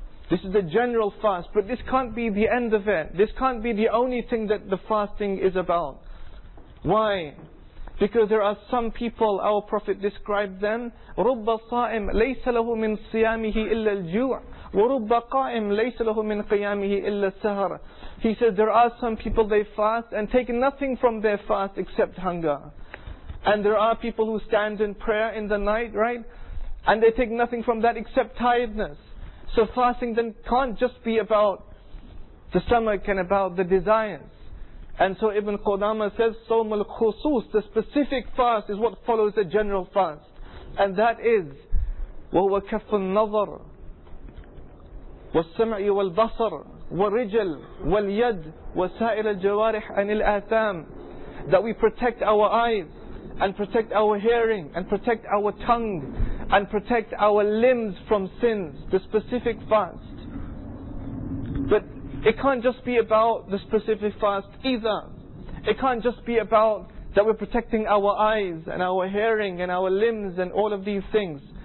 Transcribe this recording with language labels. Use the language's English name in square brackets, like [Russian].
[English] This is the general fast, but this can't be the end of it. This can't be the only thing that the fasting is about. Why? Because there are some people, our Prophet described them, [Arabic] رُبَّ صَائِمْ لَيْسَ لَهُ مِنْ صِيَامِهِ إِلَّا الْجُوعِ وَرُبَّ قَائِمْ لَيْسَ لَهُ مِنْ قِيَامِهِ إِلَّا السَّهَرَ. [English] He says there are some people they fast and take nothing from their fast except hunger. And there are people who stand in prayer in the night, right? And they take nothing from that except tiredness. So fasting then can't just be about the stomach and about the desires. And so Ibn Qudama says, [Arabic] صَوْمُ الْخُصُوصِ, [English] the specific fast is what follows the general fast. And that is, [Arabic] وَهُوَ كَفُّ النَّظَرِ وَالسَّمْعِ وَالْبَصَرِ وَالرِّجَلِ وَالْيَدِ وَسَائِرَ الْجَوَارِحِ عَنِ الْآثَامِ. [English] That we protect our eyes, and protect our hearing, and protect our tongue, and protect our limbs from sins. The specific fast. But it can't just be about the specific fast either. It can't just be about that we're protecting our eyes, and our hearing, and our limbs, and all of these things.